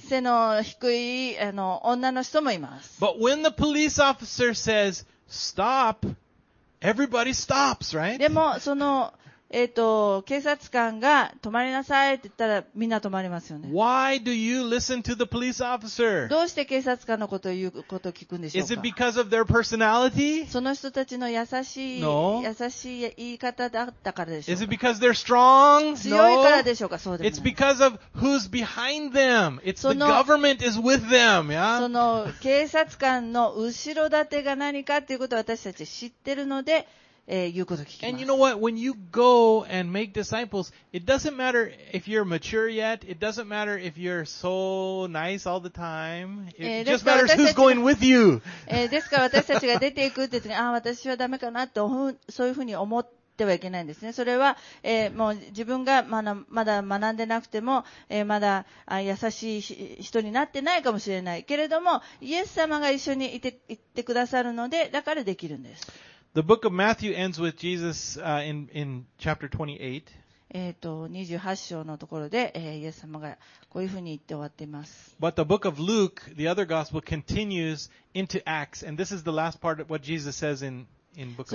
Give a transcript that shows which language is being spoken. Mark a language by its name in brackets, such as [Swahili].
[Japanese] 背の低い女の人もいます。 [English] But when the police officer says, stop, everybody stops, right? [Japanese] でも、警察官が止まりなさいって言ったらみんな止まりますよね。 [English] Why do you listen to the police officer? [Japanese] どうして警察官のことを言うことを聞くんでしょうか? [English] Is it because of their personality? [Japanese] その人たちの優しい言い方だったからでしょうか? [English] Is it because they're strong? [Japanese] 強いからでしょうか?そうでもない。 [English] It's because of who's behind them. It's the government is with them, yeah? [Japanese] その警察官の後ろ盾が何かということを私たち知ってるので、言うこと聞きます。 [English] And you know what? When you go and make disciples, it doesn't matter if you're mature yet. It doesn't matter if you're so nice all the time. It just matters who's going with you. [Japanese] ですから私たちが出ていくって言って、私はダメかなとそういうふうに思ってはいけないんですね。それは、もう自分がまだ学んでなくても、まだ優しい人になってないかもしれないけれども、イエス様が一緒にいて行ってくださるので、だからできるんです。 [English] The book of Matthew ends with Jesus in chapter 28. [Japanese] 28章のところで、イエス様がこういうふうに言って終わっています。 [English] But the book of Luke, the other gospel, continues into Acts. And this is the last part of what Jesus says in book of Acts.